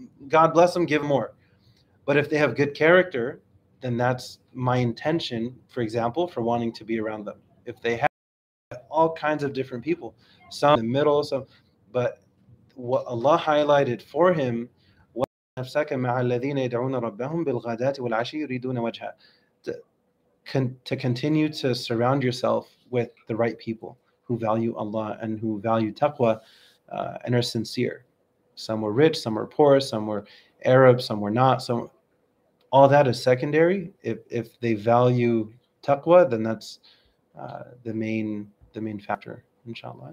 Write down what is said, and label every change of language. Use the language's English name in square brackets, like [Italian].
[English] God bless them, give more. But if they have good character, then that's my intention, for example, for wanting to be around them. If they have all kinds of different people, some in the middle, some, but what Allah highlighted for him [Arabic] نفسك مع الذين يدعون ربهم بالغداة والعشي يريدون وجهه. [English] To continue to surround yourself with the right people who value Allah and who value taqwa and are sincere. Some were rich, some were poor, some were Arab, some were not. So all that is secondary. If they value taqwa, then that's the main factor, inshallah.